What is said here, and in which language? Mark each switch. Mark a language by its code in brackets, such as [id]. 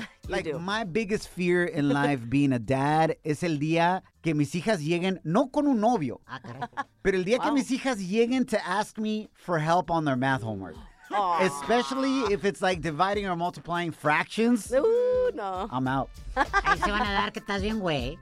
[en] Like, my biggest fear in life being a dad [es] es el día que mis hijas lleguen, [en] no con un novio, pero el día que mis hijas lleguen to ask me for help on their math homework. Aww. Especially if it's like dividing or multiplying fractions. Ooh, no. I'm out. [es] Ahí se van a dar que estás bien, güey.